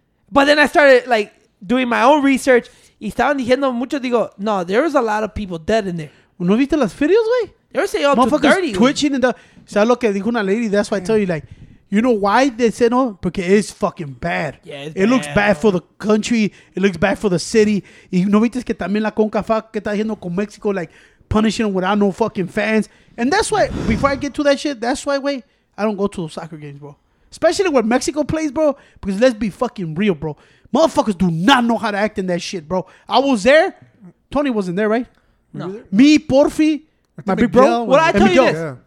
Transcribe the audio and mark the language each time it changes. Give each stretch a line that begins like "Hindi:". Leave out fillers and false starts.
English: But then I started, like, doing my own research,
Spanish: y estaban diciendo mucho, digo, no,
English: there was a lot of people dead in there.
Spanish: ¿No viste las videos, güey?
English: They were saying up to 30. Twitching and the,
Spanish: ¿sabes lo que dijo una lady?
English: That's why I tell you, like, you know why they said no? Because it's fucking bad. Yeah, it's bad. It looks bad for the country. It looks bad for the city.
Spanish: Y no viste que también la CONCACAF que está haciendo con Mexico,
English: like, punishing them without no fucking fans. And that's why, before I get to that shit, that's why, wait, I don't go to those soccer games, bro. Especially where Mexico plays, bro. Because let's be fucking real, bro. Motherfuckers do not know how to act in that shit, bro. I was there. Tony wasn't there, right? No. Me, Porfi, my big bro. What I tell you this. Yeah.